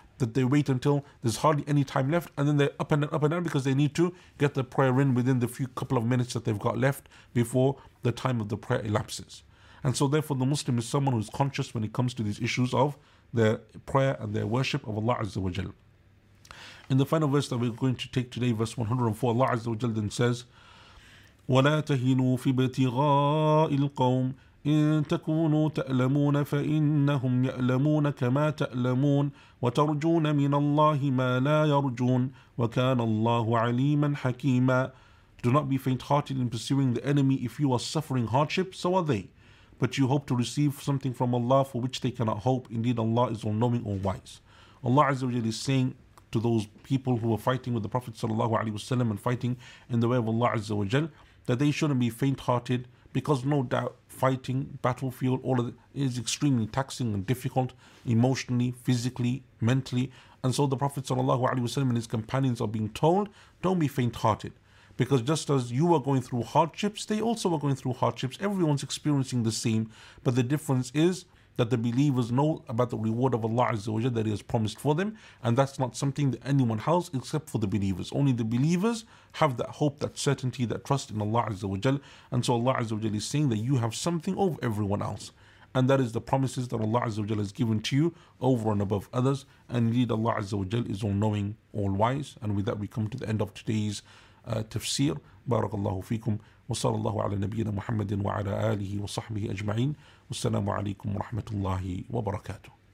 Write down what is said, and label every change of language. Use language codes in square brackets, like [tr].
[en] That they wait until there's hardly any time left, and then they're up and down because they need to get the prayer in within the few couple of minutes that they've got left before the time of the prayer elapses. And so therefore the Muslim is someone who's conscious when it comes to these issues of their prayer and their worship of Allah Azza wa Jal. In the final verse that we're going to take today, verse 104, Allah Azza wa Jal then says, [ar] وَلَا تَهِنُوا فِي بَتِغَاءِ الْقَوْمِ إِن تَكُونُوا تَأْلَمُونَ فَإِنَّهُمْ يَأْلَمُونَ كَمَا تَأْلَمُونَ وَتَرْجُونَ مِنَ اللَّهِ مَا لَا يَرْجُونَ وَكَانَ اللَّهُ عَلِيمًا حَكِيمًا. [en] Do not be faint-hearted in pursuing the enemy. If you are suffering hardship, so are they. But you hope to receive something from Allah for which they cannot hope. Indeed, Allah is all-knowing, all-wise. Allah Azza wa Jalla is saying to those people who were fighting with the Prophet sallallahu alaihi wasallam and fighting in the way of Allah Azza wa Jalla that they shouldn't be faint-hearted, because no doubt fighting, battlefield, all of it is extremely taxing and difficult emotionally, physically, mentally. And so the Prophet sallallahu alaihi wasallam and his companions are being told, don't be faint-hearted. Because just as you are going through hardships, they also are going through hardships. Everyone's experiencing the same. But the difference is that the believers know about the reward of Allah Azza wa Jalla that He has promised for them. And that's not something that anyone has except for the believers. Only the believers have that hope, that certainty, that trust in Allah Azza wa Jalla. And so Allah Azza wa Jalla is saying that you have something over everyone else. And that is the promises that Allah Azza wa Jalla has given to you over and above others. And indeed Allah Azza wa Jalla is all-knowing, all-wise. And with that we come to the end of today's [ar] تفسير بارك الله فيكم وصلى الله على نبينا محمد وعلى آله وصحبه أجمعين والسلام عليكم ورحمة الله وبركاته.